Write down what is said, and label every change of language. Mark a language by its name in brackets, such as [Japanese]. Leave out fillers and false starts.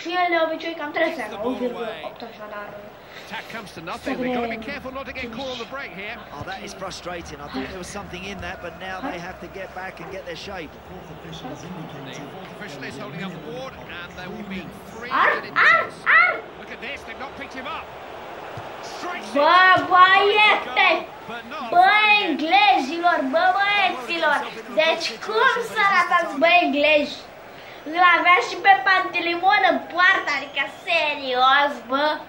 [Romanian] Și el de obicei cam trebuie să ia 9,8 așa, dar... [English] Attack comes to nothing. We've got to be careful not to get caught on the break here. Oh, that is frustrating. I thought there was something in that, but now they have to get back and get their shape. The fourth official is holding up the board, and there will be three minutes. Look at this. They've not picked him up. [Romanian] Bă, băiete, bă, englezilor, bă, băieților, deci cum să ratați, bă, englezi? Îl avea și pe Pantelimon în poartă, adică serios, bă.